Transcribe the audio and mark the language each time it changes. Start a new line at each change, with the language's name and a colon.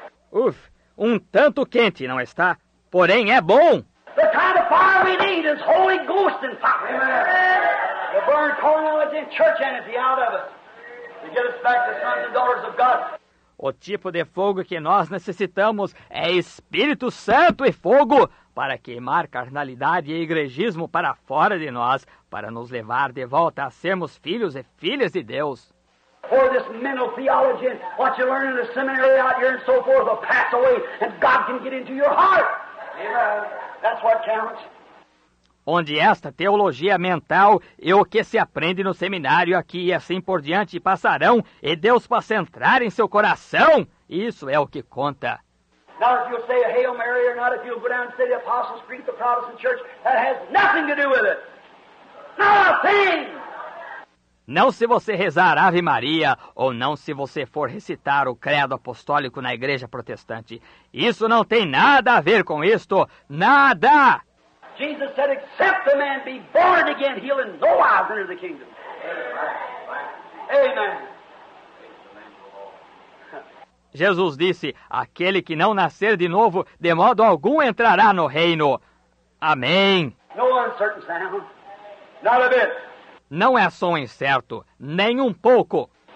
Portuguese: Uf, tanto quente, não está? Porém, é bom.
English: The kind of fire we need is Holy Ghost and fire. Amen. To burn carnality and church energy out of us. To get us back to sons and daughters of God.
Portuguese: O tipo de fogo que nós necessitamos é Espírito Santo e fogo para queimar carnalidade e igrejismo para fora de nós, para nos levar de volta a sermos filhos e filhas de Deus.
English: For this mental theology and what you learn in the seminary out here and so forth will pass away and God can get into your heart. Amen. That's what counts.
Portuguese: Onde esta teologia mental e o que se aprende no seminário aqui e assim por diante passarão e Deus possa entrar em seu coração, isso é o que conta.
English: Not if you'll say a Hail Mary or not if you'll go down and say the Apostles' Creed, the Protestant Church, that has nothing to do with it. Nothing!
Portuguese: Não se você rezar Ave Maria, ou não se você for recitar o credo apostólico na igreja protestante. Isso não tem nada a ver com isto. Nada!
English: Jesus said, except the man be born again, he'll in no wise enter the kingdom. Amen. Amen.
Portuguese: Jesus disse, aquele que não nascer de novo, de modo algum entrará no reino. Amém.
English: No uncertain sound. Not a bit.
Portuguese: Não é som incerto, nem pouco.